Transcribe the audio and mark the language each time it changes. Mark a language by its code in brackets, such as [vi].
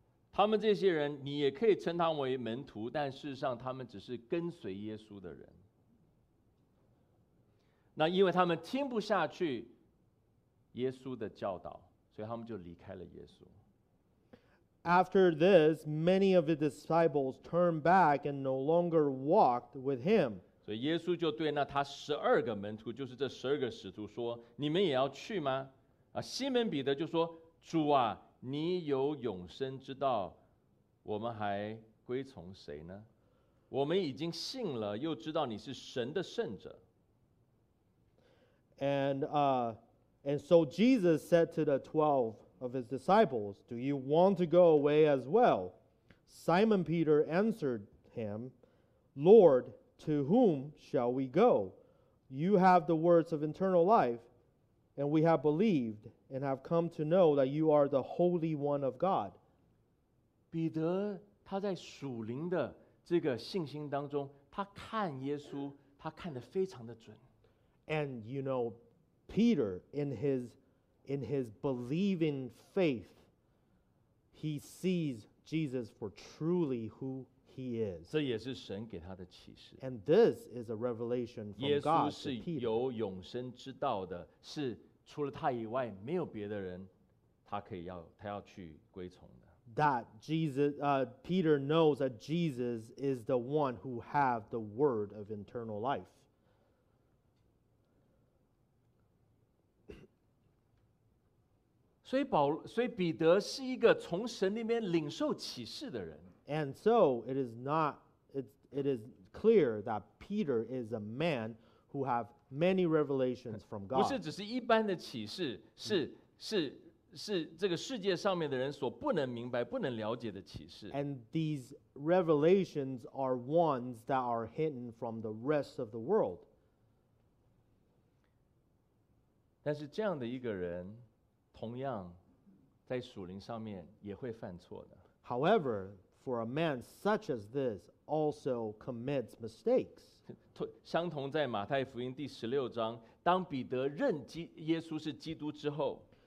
[zh] 他们这些人，你也可以称他们为门徒，但事实上他们只是跟随耶稣的人。那因为他们听不下去耶稣的教导，所以他们就离开了耶稣。 [en] After this, many of the disciples turned back and no longer walked with him. [zh] 所以耶稣就对那他十二个门徒，就是这十二个使徒说，你们也要去吗？西门彼得就说，主啊，你有永生之道，我们还归从谁呢？我们已经信了，又知道你是神的圣者。 [en] And so Jesus said to the 12 of his disciples, do you want to go away as well? Simon Peter answered him, Lord, to whom shall we go? You have the words of eternal life, and we have believed and have come to know that you are the Holy One of God. [zh] 彼得他在属灵的这个信心当中，他看耶稣，他看得非常的准。 [en] And you know, Peter, in his believing faith, he sees Jesus for truly who he is. [zh] 这也是神给他的启示。 [en] And this is a revelation from God to Peter. [zh] 耶稣是有永生之道的，是除了他以外没有别的人，他要去归从的。 [en] That Jesus, Peter knows that Jesus is the one who have the word of eternal life. [zh] 所以彼得是一个从神那边领受启示的人。 [en] And so it is clear that Peter is a man who have many revelations from God. [zh] 不是只是一般的启示，是这个世界上面的人所不能明白、不能了解的启示。 [en] And these revelations are ones that are hidden from the rest of the world. [zh] 但是这样的一个人。同样在属灵上面也会犯错的。 [en] However, for a man such as this also commits mistakes. [zh] 相同在马太福音第十六章，当彼得认耶稣是基督之后。